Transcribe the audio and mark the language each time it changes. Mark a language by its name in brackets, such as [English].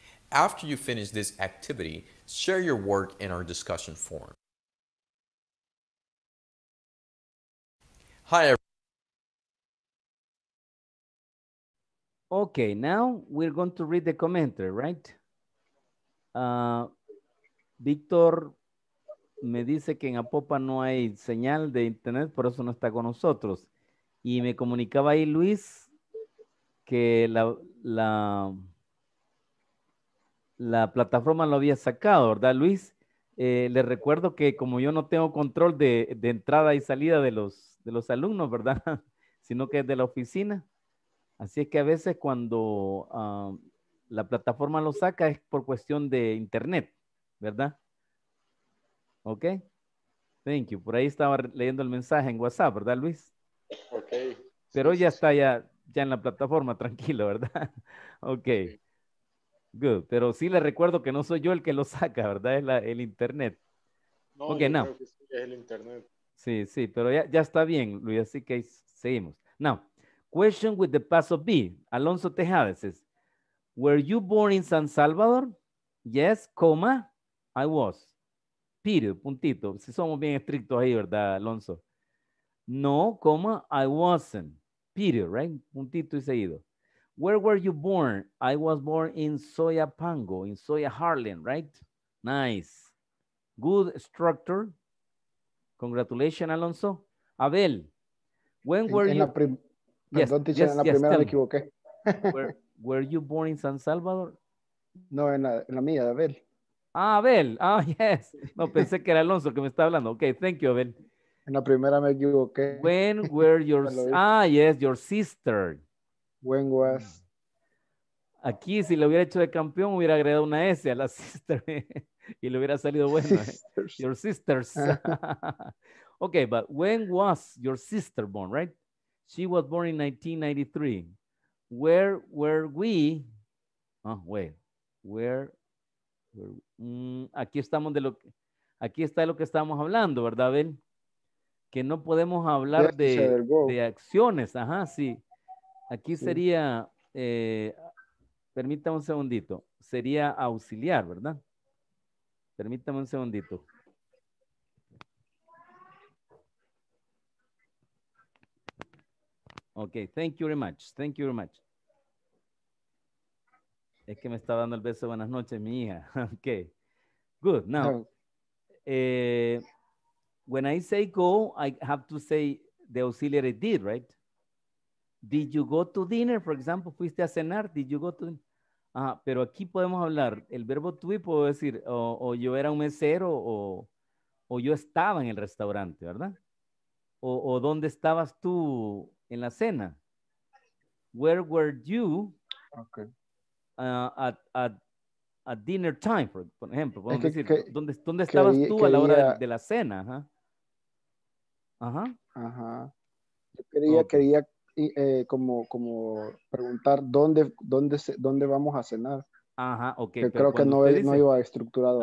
[English] After you finish this activity, share your work in our discussion forum. Hi, everyone. Okay, now we're going to read the commentary, right? [Spanish] Víctor me dice que en Apopa no hay señal de internet, por eso no está con nosotros. Y me comunicaba ahí Luis que la plataforma lo había sacado, ¿verdad, Luis? Le recuerdo que como yo no tengo control de entrada y salida de los alumnos, ¿verdad? Sino que es de la oficina. Así es que a veces cuando la plataforma lo saca es por cuestión de internet, ¿verdad? [English] Ok. Thank you. [Spanish] Por ahí estaba leyendo el mensaje en WhatsApp, ¿verdad, Luis? Ok. Pero ya está ya en la plataforma, tranquilo, ¿verdad? [English] Ok. Good. [Spanish] Pero sí le recuerdo que no soy yo el que lo saca, ¿verdad? Es el internet. No, okay, now. Es el internet. Sí, sí, pero ya está bien, Luis, así que seguimos. [English] Now, question with the past of be. Alonso Tejada says, were you born in San Salvador? Yes, comma, I was. Period, [Spanish] puntito. Si somos bien estrictos ahí, ¿verdad, Alonso? [English] No, comma, I wasn't. Period, right? [Spanish] Puntito y seguido. [English] Where were you born? I was born in Soyapango, in Soya, Harlem, right? Nice. Good structure. Congratulations, Alonso. Abel, when were [Spanish] en [English] you... [Spanish] La prim... yes, perdón, teacher, yes, en la yes, primera me equivoqué. [English] Were you born in San Salvador? [Spanish] No, en la mía, Abel. [English] Ah, Abel. Ah, yes. [Spanish] No, pensé que era Alonso que me estaba hablando. [English] Okay, thank you, Abel. [Spanish] En la primera me equivoqué. [English] When were your... ah, yes, your sister. When was... [Spanish] aquí, si lo hubiera hecho de campeón, hubiera agregado una S a la sister. Y le hubiera salido bueno. [English] Sisters. Your sisters. Okay, but when was your sister born, right? She was born in 1993. Where were we? Oh, wait. [Spanish] Where aquí estamos de lo que... aquí está de lo que estábamos hablando, ¿verdad, Abel? Que no podemos hablar de acciones. Ajá, sí. Aquí sí sería... permítame un segundito. Sería auxiliar, ¿verdad? Permítame un segundito. [English] Ok, thank you very much. Thank you very much. [Spanish] Es que me está dando el beso de buenas noches, mi hija. [English] Ok. Good. Now, when I say go, I have to say the auxiliary did, right? Did you go to dinner, for example? [Spanish] ¿Fuiste a cenar? [English] Did you go to dinner? [Spanish] Ah, pero aquí podemos hablar, el verbo to be puedo decir, o yo era un mesero, o yo estaba en el restaurante, ¿verdad? O ¿dónde estabas tú en la cena? [English] Where were you at dinner time, [Spanish] por ejemplo? Podemos es que, decir, que, ¿dónde estabas que, tú que a la hora ella... de la cena? Ajá. Ajá. Ajá. Yo quería, okay, quería... y como preguntar dónde vamos a cenar. Ajá, ok. Pero creo que no iba estructurado